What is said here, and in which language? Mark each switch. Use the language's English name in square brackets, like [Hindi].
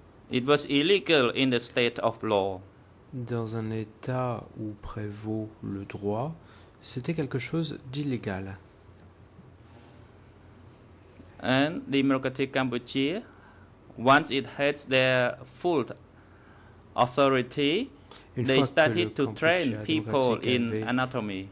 [English] It was illegal in the state of law. [French] Dans un état où prévaut le droit, c'était quelque chose d'illégal. [English] And the Democratic Cambodia, once it had their full authority, they started to train people in anatomy.